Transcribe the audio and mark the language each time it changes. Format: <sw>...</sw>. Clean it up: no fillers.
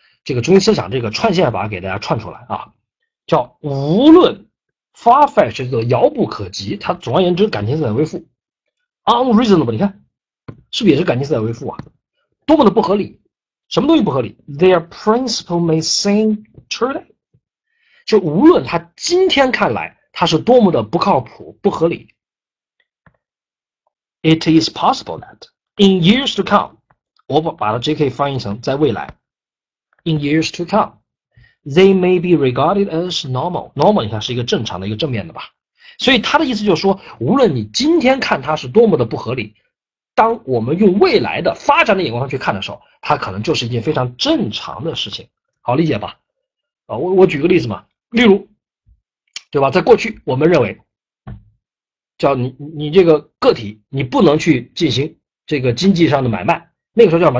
<zh>这个中心思想，这个串线法给大家串出来啊，叫无论 farfetched 这个遥不可及，它总而言之感情色彩未复，unreasonable，你看是不是也是感情色彩未复啊？多么的不合理，什么东西不合理？</zh> <en>Their principle may seem today，</en> <zh>就无论它今天看来它是多么的不靠谱、不合理。</zh> <en>It is possible that in years to come，</en> <zh>我把它直接可以翻译成在未来。</zh> <en>In years to come, they may be regarded as normal.</en> <zh>Normal，你看是一个正常的，一个正面的吧。所以他的意思就是说，无论你今天看它是多么的不合理，当我们用未来的发展的眼光去看的时候，它可能就是一件非常正常的事情，好理解吧？我举个例子嘛，例如，对吧？在过去，我们认为，叫你这个个体，你不能去进行这个经济上的买卖，那个时候叫什么？</zh>